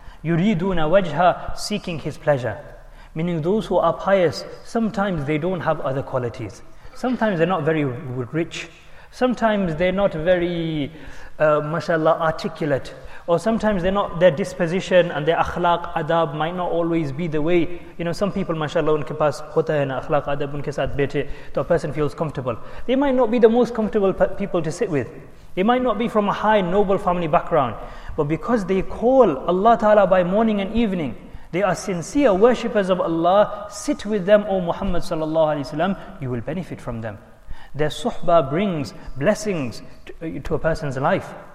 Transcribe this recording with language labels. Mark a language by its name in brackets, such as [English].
[English] Yuriduna wajha, seeking His pleasure. Meaning those who are pious, sometimes they don't have other qualities. Sometimes they're not very rich. Sometimes they're not very, mashallah, articulate. Or sometimes they're not, their disposition and their akhlaq, adab might not always be the way. You know, some people، [Urdu] ماشاءاللہ، ان کے پاس ہوتا ہے نا اخلاق، ادب ان کے ساتھ بیٹھے، [English] to a person feels comfortable۔ They might not be the most comfortable people to sit with. They might not be from a high, noble family background. But because they call Allah Ta'ala by morning and evening, they are sincere worshippers of Allah, sit with them, O Muhammad sallallahu alayhi wa sallam, you will benefit from them. Their suhbah brings blessings to a person's life.